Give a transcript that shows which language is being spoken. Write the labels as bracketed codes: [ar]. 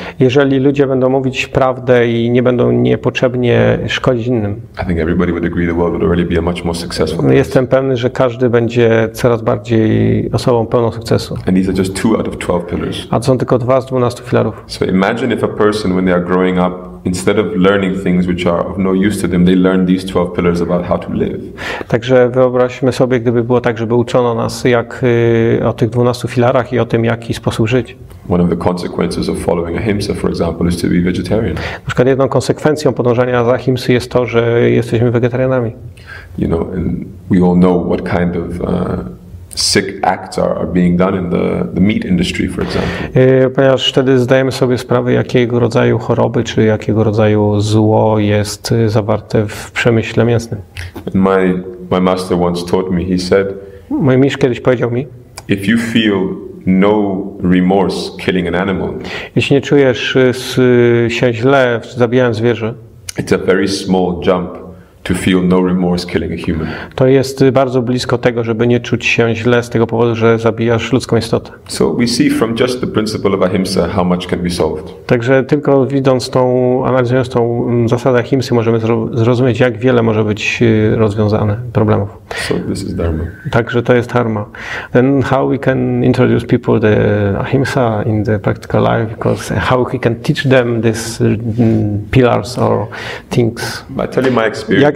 [pl] Jeżeli ludzie będą mówić prawdę i nie będą niepotrzebnie szkodzić innym. [en] I think everybody would agree the world would already be a much more successful. [pl] Jestem pewny, że każdy będzie coraz bardziej osobą pełną sukcesu. [en] And these are just two out of 12 pillars. [pl] A to są tylko dwa z 12 filarów. [en] So imagine if a person when they are growing up, instead of learning things which are of no use to them, they learn these 12 pillars about how to live. [pl] Także wyobraźmy sobie, gdyby było tak, żeby uczono nas jak o tych 12 filarach i o tym, jaki sposób żyć. [en] One of the consequences of following ahimsa, for example, is to be vegetarian. [pl] Na przykład jedną konsekwencją podążania za ahimsy jest to, że jesteśmy wegetarianami. [en] You know, and we all know what kind of sick acts are being done in the meat industry, for example. [pl] Ponieważ wtedy zdajemy sobie sprawę, jakiego rodzaju choroby czy jakiego rodzaju zło jest zawarte w przemyśle mięsnym. [en] And my master once taught me, he said, [pl] mój mistrz kiedyś powiedział mi, [en] if you feel no remorse killing an animal, [pl] jeśli nie czujesz się źle zabijając zwierzę, [en] it's a very small jump to feel no remorse killing a human. [pl] To jest bardzo blisko tego, żeby nie czuć się źle z tego powodu, że zabijasz ludzką istotę. [en] So we see from just the principle of ahimsa how much can be solved. [pl] Także tylko widząc tą, analizując tą zasadę ahimsy, możemy zrozumieć, jak wiele może być rozwiązane problemów. [en] So this is dharma. [pl] Także to jest dharma. [en] Then how we can introduce people the ahimsa in the practical life, because how we can teach them these pillars or things. By telling my experience.